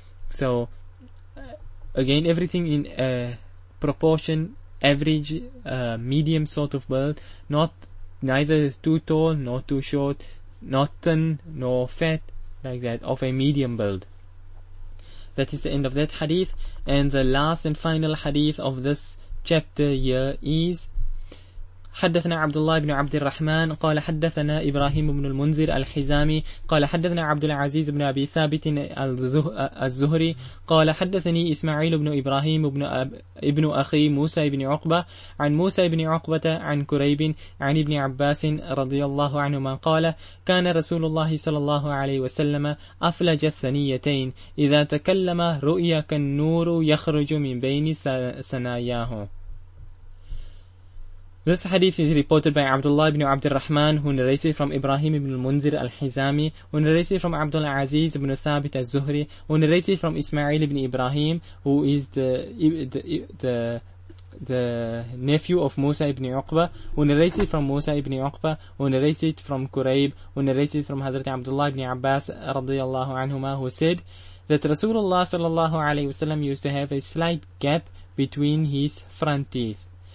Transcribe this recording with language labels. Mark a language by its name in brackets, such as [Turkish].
[English] So again, everything in proportion, average, medium sort of build, not neither too tall nor too short, not thin nor fat, like that, of a medium build. That is the end of that hadith. [Arabic] And the last and final hadith of this chapter here is حدثنا عبد الله بن عبد الرحمن قال حدثنا إبراهيم بن المنذر الحزامي قال حدثنا عبد العزيز بن أبي ثابت الزهري قال حدثني إسماعيل بن إبراهيم ابن أخي موسى بن عقبة عن موسى بن عقبة عن كريب عن ابن عباس رضي الله عنهما قال كان رسول الله صلى الله عليه وسلم أفلج الثنيتين إذا تكلم رؤيا كالنور يخرج من بين ثناياه. [English] This hadith is reported by Abdullah ibn Abd al-Rahman, who narrated from Ibrahim ibn al-Munzir al-Hizami, who narrated from Abdul Aziz ibn Thabit al-Zuhri, who narrated from Ismail ibn Ibrahim, who is the nephew of Musa ibn Uqba, who narrated from Musa ibn Uqba, who narrated from Quraib, who narrated from Hadrat Abdullah ibn Abbas radiyallahu anhuma, who said that Rasulullah sallallahu alayhi wasallam used to have a slight gap between his front teeth.